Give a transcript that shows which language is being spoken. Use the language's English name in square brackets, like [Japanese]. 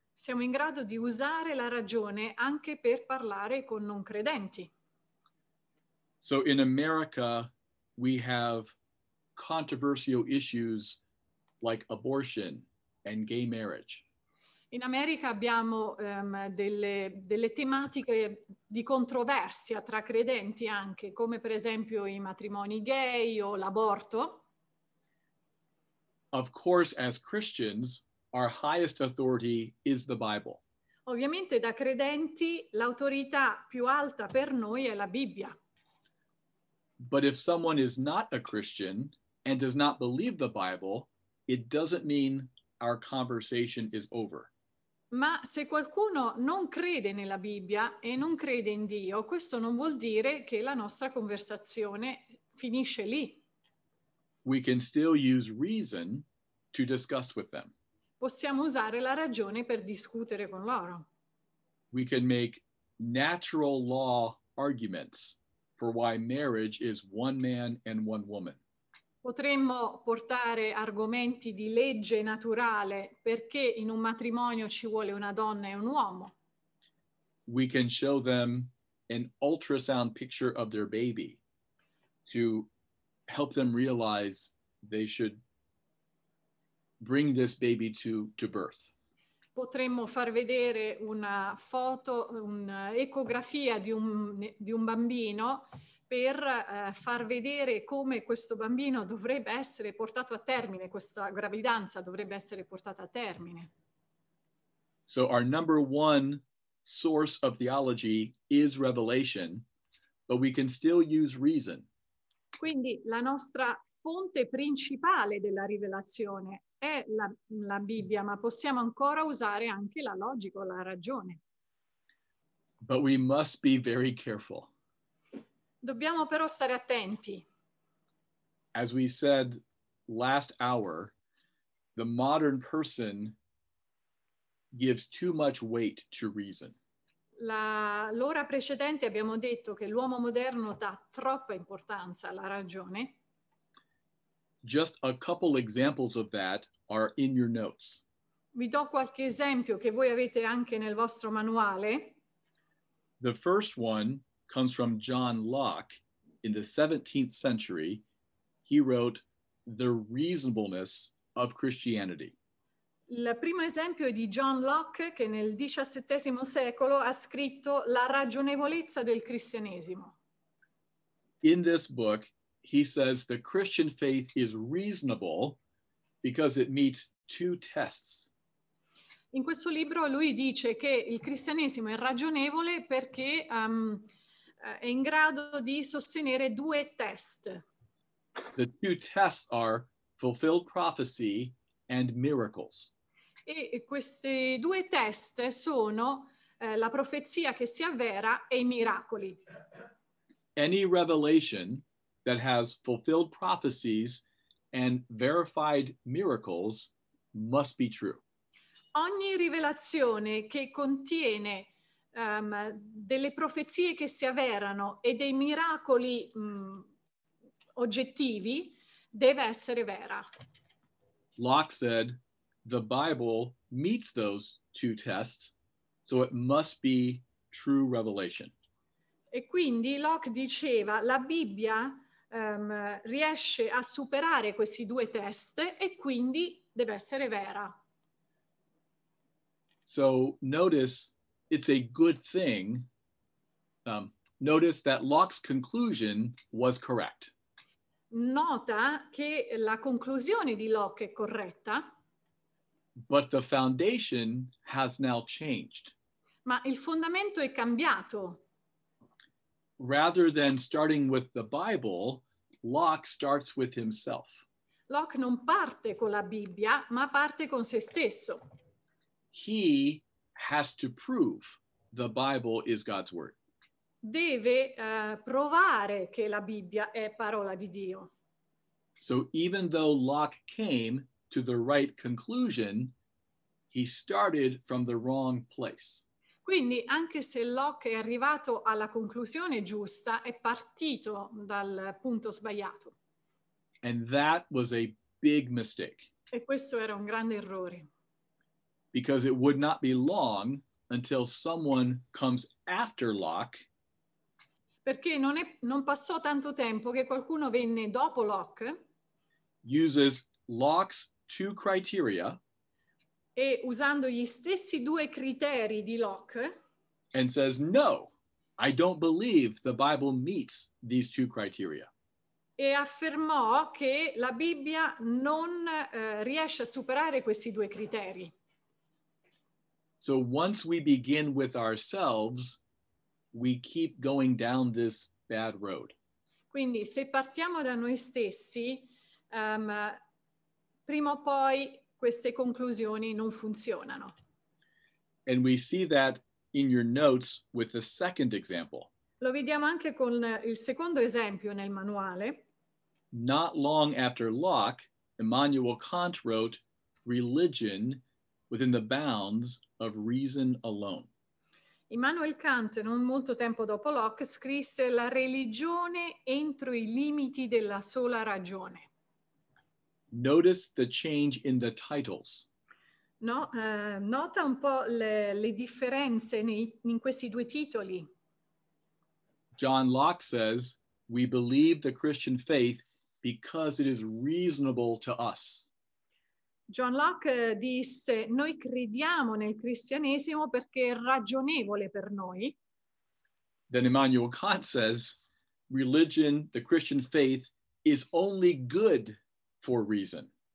[Italian] Siamo in grado di usare la ragione anche per parlare con non credenti. [English] So in America we have controversial issues like abortion and gay marriage. [Italian] In America abbiamo delle tematiche di controversia tra credenti anche, come per esempio i matrimoni gay o l'aborto. [English] Of course, as Christians, our highest authority is the Bible. [Italian] Ovviamente da credenti l'autorità più alta per noi è la Bibbia. [English] But if someone is not a Christian and does not believe the Bible, it doesn't mean our conversation is over. [Italian] Ma se qualcuno non crede nella Bibbia e non crede in Dio, questo non vuol dire che la nostra conversazione finisce lì. [English] We can still use reason to discuss with them. [Italian] Possiamo usare la ragione per discutere con loro. [English] We can make natural law arguments for why marriage is one man and one woman. [Italian] Potremmo portare argomenti di legge naturale perché in un matrimonio ci vuole una donna e un uomo. [English] We can show them an ultrasound picture of their baby to help them realize they should bring this baby to birth. [Italian] Potremmo far vedere una foto, un'ecografia di un bambino per far vedere come questo bambino dovrebbe essere portato a termine, questa gravidanza dovrebbe essere portata a termine. [English] So our number one source of theology is revelation, but we can still use reason. [Italian] Quindi la nostra fonte principale della rivelazione è la Bibbia, ma possiamo ancora usare anche la logica o la ragione. [English] But we must be very careful. [Italian] Dobbiamo però stare attenti. [English] As we said last hour, the modern person gives too much weight to reason. [Italian] L'ora precedente abbiamo detto che l'uomo moderno dà troppa importanza alla ragione. [English] Just a couple examples of that are in your notes. [Italian] Vi do qualche esempio che voi avete anche nel vostro manuale. [English] The first one comes from John Locke in the 17th century. He wrote The Reasonableness of Christianity. [Italian] Il primo esempio è di John Locke, che nel XVII secolo ha scritto La ragionevolezza del cristianesimo. [English] In this book, he says the Christian faith is reasonable because it meets two tests. [Italian] In questo libro lui dice che il cristianesimo è ragionevole perché è in grado di sostenere due test. [English] The two tests are fulfilled prophecy and miracles. [Italian] E questi due test sono la profezia che si avvera e i miracoli. [English] Any revelation that has fulfilled prophecies and verified miracles must be true. [Italian] Ogni rivelazione che contiene delle profezie che si avverano e dei miracoli oggettivi deve essere vera. [English] Locke said the Bible meets those two tests, so it must be true revelation. [Italian] E quindi Locke diceva la Bibbia riesce a superare questi due test e quindi deve essere vera. [English] So notice it's a good thing. Notice that Locke's conclusion was correct. [Italian] Nota che la conclusione di Locke è corretta. [English] But the foundation has now changed. [Italian] Ma il fondamento è cambiato. [English] Rather than starting with the Bible, Locke starts with himself. [Italian] Locke non parte con la Bibbia, ma parte con se stesso. [English] He has to prove the Bible is God's word. [Italian] Deve provare che la Bibbia è parola di Dio. [English] So even though Locke came to the right conclusion, he started from the wrong place. [Italian] Quindi anche se Locke è arrivato alla conclusione giusta, è partito dal punto sbagliato. [English] And that was a big mistake. [Italian] E questo era un grande errore. [English] because it would not be long until someone comes after Locke. [Italian] Perché non passò tanto tempo che qualcuno venne dopo Locke. [English] Uses Locke's two criteria. [Italian] E usando gli stessi due criteri di Locke. [English] And says, no, I don't believe the Bible meets these two criteria. [Italian] E affermò che la Bibbia non riesce a superare questi due criteri. [English] So once we begin with ourselves, we keep going down this bad road. [Italian] Quindi se partiamo da noi stessi, prima o poi queste conclusioni non funzionano. [English] And we see that in your notes with the second example. [Italian] Lo vediamo anche con il secondo esempio nel manuale. [English] Not long after Locke, Immanuel Kant wrote Religion Within the Bounds of Reason Alone. [Italian] Immanuel Kant, non molto tempo dopo Locke, scrisse La religione entro i limiti della sola ragione. [English] Notice the change in the titles. [Italian] No, nota un po' le differenze in questi due titoli. [English] John Locke says, We believe the Christian faith because it is reasonable to us. [Italian] John Locke disse, noi crediamo nel cristianesimo perché è ragionevole per noi. [English] Then Immanuel Kant says, religion, the Christian faith, is only good for reason.